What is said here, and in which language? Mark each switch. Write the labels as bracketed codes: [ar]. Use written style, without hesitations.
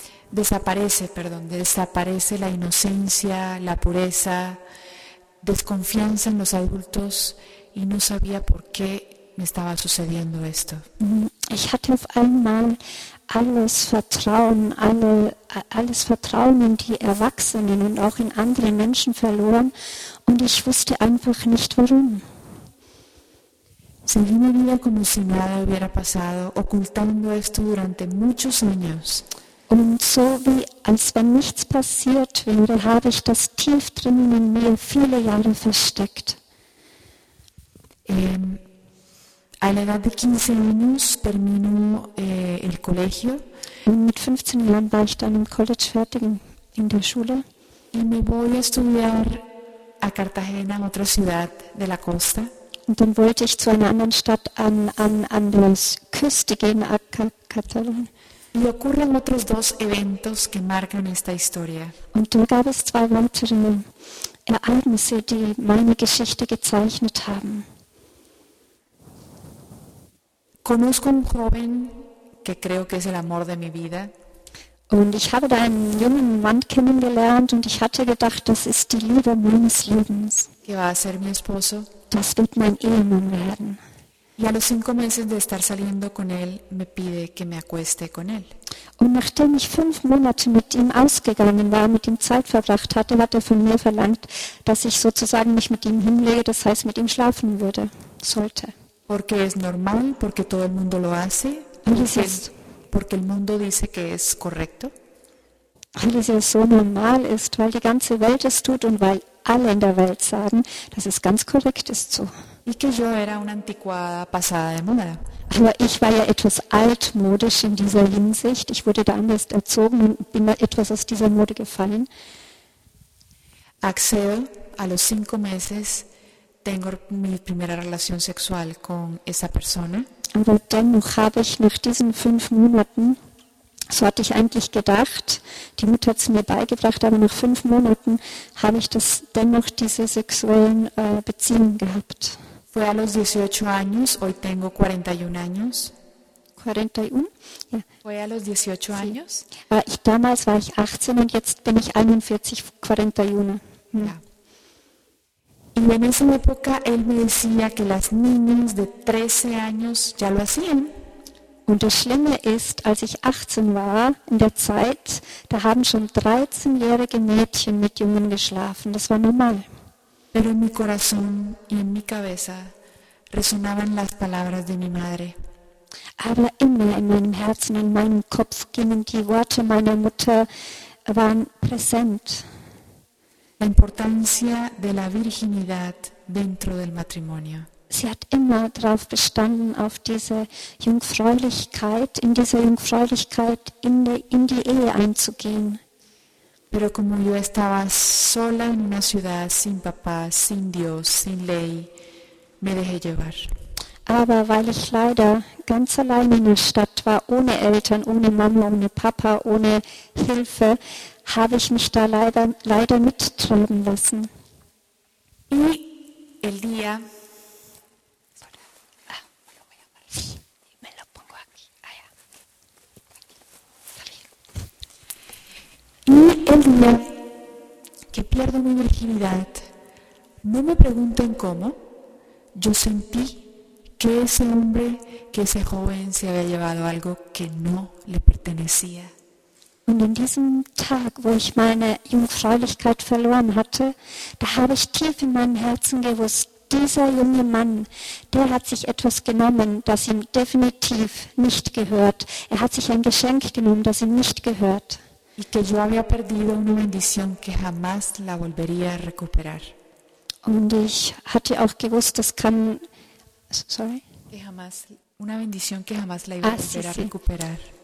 [es] Desaparece, perdón, desaparece la inocencia, la pureza, desconfianza en los adultos y no sabía por qué me estaba sucediendo esto. [de] Ich hatte auf einmal alles Vertrauen in die Erwachsenen und auch in andere Menschen verloren und ich wusste einfach nicht warum. [es] Seguí mi vida como si nada hubiera pasado, ocultando esto durante muchos años. [de] Und so wie als wenn nichts passiert wäre, habe ich das tief drinnen in mir viele Jahre versteckt. [es] A la edad de 15 años termino el colegio [de] Und mit 15 Jahren war ich dann im College fertig in der Schule. [es] y me voy a estudiar a Cartagena, a otra ciudad de la costa. [de] Und dann wollte ich zu einer anderen Stadt an der Küste gehen, a Katalonien. [es] Y ocurren otros dos eventos que marcan esta historia. [de] Und da gab es zwei weitere Ereignisse, die meine Geschichte gezeichnet haben. [es] Conozco un joven que creo que es el amor de mi vida. [de] Und ich habe da einen jungen Mann kennengelernt und ich hatte gedacht, das ist die Liebe meines Lebens. [es] Que va a ser mi esposo. [de] Das wird mein Ehemann werden. [es] Y a los 5 meses de estar saliendo con él, me pide que me acueste con él. [de] Und nachdem ich 5 Monate mit ihm ausgegangen war, mit ihm Zeit verbracht hatte, hat er von mir verlangt, dass ich sozusagen mich mit ihm hinlege, das heißt mit ihm schlafen würde, sollte. [es] Porque es normal, porque todo el mundo lo hace, porque el mundo dice que es correcto. [de] Weil es ja so normal ist, weil die ganze Welt es tut und weil alle in der Welt sagen, dass es ganz korrekt ist so. [es] Y que yo era una anticuada pasada de moda. [de] Aber ich war ja etwas altmodisch in dieser Hinsicht. Ich wurde da anders erzogen und bin da etwas aus dieser Mode gefallen. [es] Accedo a los 5 meses. Tengo mi primera relación sexual con esa persona. [de] Aber dennoch habe ich nach diesen 5 Monaten, so hatte ich eigentlich gedacht, die Mutter hat es mir beigebracht, aber nach 5 Monaten habe ich das dennoch diese sexuellen Beziehungen gehabt. [es] Fue a los 18 años, hoy tengo 41 años. [de] 41? Ja. [es] Fue a los 18 años. [de] Damals war ich 18 und jetzt bin ich 41, 41. [es] Y en esa época él me decía que las niñas de 13 años ya lo hacían. [de] Und das Schlimme ist, als ich 18 war, in der Zeit, da haben schon 13-jährige Mädchen mit Jungen geschlafen. Das war normal. [es] Pero en mi corazón y en mi cabeza resonaban las palabras de mi madre. [de] Aber immer in meinem Herzen, in meinem Kopf gingen die Worte meiner Mutter, waren präsent. [es] La importancia de la virginidad dentro del matrimonio. [de] Sie hat immer darauf bestanden, auf diese Jungfräulichkeit, in diese Jungfräulichkeit in die Ehe einzugehen. [es] Pero como yo estaba sola en una ciudad, sin papá, sin Dios, sin ley, me dejé llevar. [de] Aber weil ich leider ganz allein in der Stadt war, ohne Eltern, ohne Mama, ohne Papa, ohne Hilfe, habe ich mich da leider mittreiben lassen. [es] Y el día, Sí, me lo pongo aquí. Ah, ya. Está bien. el día que pierdo mi virginidad, no me pregunten cómo, yo sentí que ese hombre, que ese joven se había llevado algo que no le pertenecía. [de] Und an diesem Tag, wo ich meine Jungfräulichkeit verloren hatte, da habe ich tief in meinem Herzen gewusst, dieser junge Mann, der hat sich etwas genommen, das ihm definitiv nicht gehört. Er hat sich ein Geschenk genommen, das ihm nicht gehört. [es] Y que yo había perdido una bendición que jamás la volvería a recuperar. [de] Und ich hatte auch gewusst, das kann... [en] Sorry? [es] Que jamás, una bendición que jamás la iba a volver a recuperar.